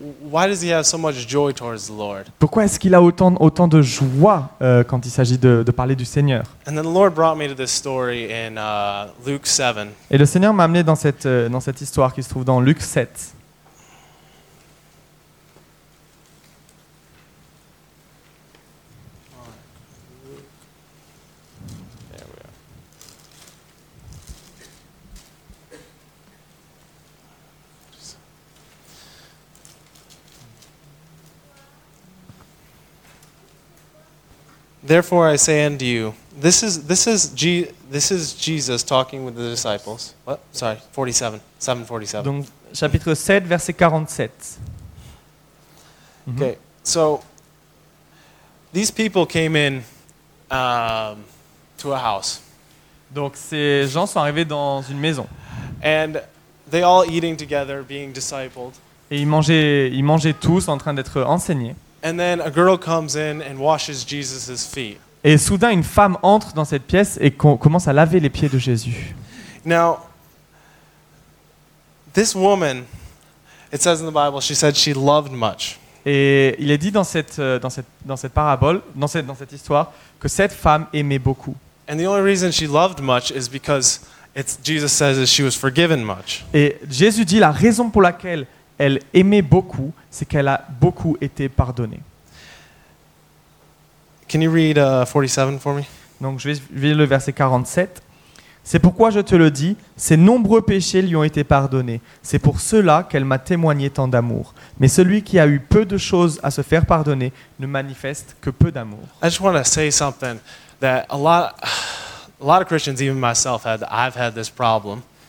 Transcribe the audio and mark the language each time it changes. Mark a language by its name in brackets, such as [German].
[English] Why does he have so much joy towards the Lord? [French] Pourquoi est-ce qu'il a autant de joie quand il s'agit de parler du Seigneur? [English] And then the Lord brought me to this story in Luke 7. [French] Et le Seigneur m'a amené dans cette histoire qui se trouve dans Luc 7. [English] Therefore I say unto you, this is Jesus talking with the disciples. What? Sorry, 47. [French] Donc chapitre 7 verset 47. Okay. [English] So these people came in to a house. [French] Donc ces gens sont arrivés dans une maison. [English] And they all eating together being discipled. [French] Et ils mangeaient tous en train d'être enseignés. [English] And then a girl comes in and washes Jesus's feet. [French] Et soudain une femme entre dans cette pièce et commence à laver les pieds de Jésus. [English] Now, this woman, it says in the Bible, she said she loved much. [French] Et il est dit dans cette parabole, dans cette histoire, que cette femme aimait beaucoup. [English] And the only reason she loved much is because Jesus says that she was forgiven much. [French] Et Jésus dit la raison pour laquelle elle aimait beaucoup, c'est qu'elle a beaucoup été pardonnée. [English] Can you read 47 for me? [French] Donc je vais lire le verset 47. C'est pourquoi je te le dis, ses nombreux péchés lui ont été pardonnés. C'est pour cela qu'elle m'a témoigné tant d'amour. Mais celui qui a eu peu de choses à se faire pardonner ne manifeste que peu d'amour. [English] I just want to say something that a lot of Christians, even myself, I've had this problem.